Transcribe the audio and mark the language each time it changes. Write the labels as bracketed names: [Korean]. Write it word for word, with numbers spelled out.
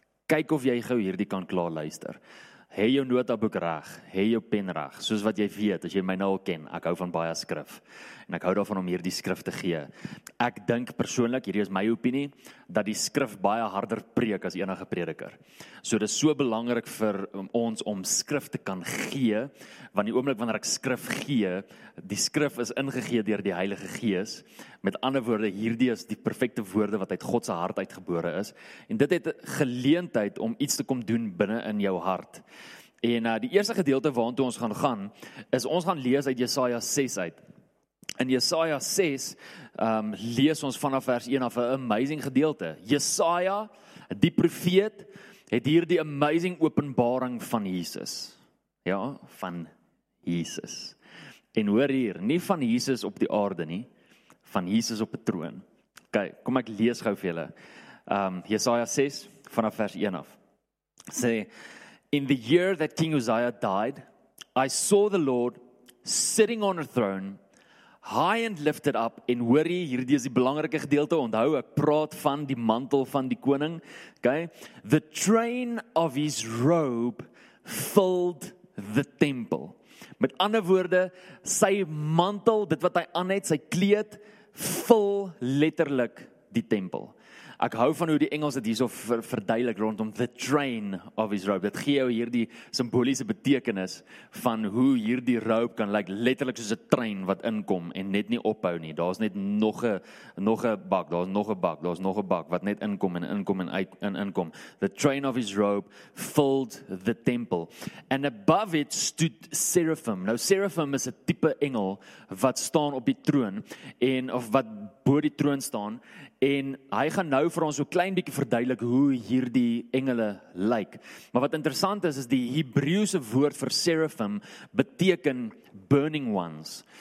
[Afrikaans] Kyk of jy gou hierdie kan klaar luister. Hê jou notaboek reg, hê jou pen reg, soos wat jy weet, as jy my nou al ken, ek hou van baie skrif en ek hou daarvan om hierdie skrif te gee. Ek dink persoonlik, hierdie is my opinie, dat die skrif baie harder preek as enige prediker. So dit is so belangrik vir ons om skrif te kan gee, want die oomblik wanneer ek skrif gee, die skrif is ingegee deur die Heilige Gees. Met ander woorde, hierdie is die perfekte woorde wat uit God se hart uitgebore is en dit het geleentheid om iets te kom doen binne in jou hart. En uh, die eerste gedeelte waartoe ons gaan gaan, is ons gaan lees uit Jesaja ses uit. In Jesaja ses um, lees ons vanaf vers een af 'n amazing gedeelte. Jesaja, die profeet, het hier die amazing openbaring van Jesus. Ja, van Jesus. En hoor hier, nie van Jesus op die aarde nie, van Jesus op 'n troon. Okay, kom ek lees gou vir julle. Um, Jesaja ses, vanaf vers een af. Sê, [English] in the year that King Uzziah died, I saw the Lord sitting on a throne, high and lifted up. [Afrikaans] En hoor jy, hierdie is die belangrike gedeelte, onthou, ek praat van die mantel van die koning. Okay? [English] The train of his robe filled the temple. [Afrikaans] Met ander woorde, sy mantel, dit wat hy aan het, sy kleed, vul letterlik die tempel. Ek hou van hoe die Engels dit hierso ver, verduidelik rondom [English] the train of his robe. [Afrikaans] Dit gee jou hierdie simboliese betekenis van hoe hierdie robe kan lyk, like, letterlik soos 'n trein wat inkom en net nie ophou nie. Daar's net nog 'n nog 'n bak, daar's nog 'n bak, daar's nog 'n bak wat net inkom en inkom en uit en inkom. [English] The train of his robe filled the temple. And above it stood seraphim. [Afrikaans] Nou seraphim is 'n tipe engel wat staan op die troon en of wat bo die troon staan en hy gaan nou vir ons so klein bietjie verduidelik hoe hierdie engele lyk. Maar wat interessant is, is die Hebreëse woord vir seraphim beteken burning ones.